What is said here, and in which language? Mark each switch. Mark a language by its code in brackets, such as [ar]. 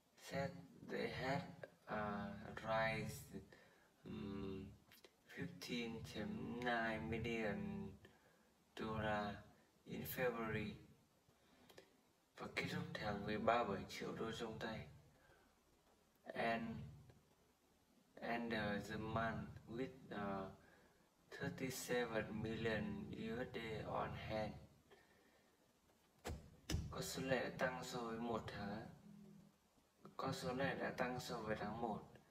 [en] Said they had raised 15.9 million đô in February [vi] và kết thúc tháng với 37 triệu đô trong tay. [en] And the month with 37 million USD on hand. [vi] Con số lẻ đã tăng so với tháng 1.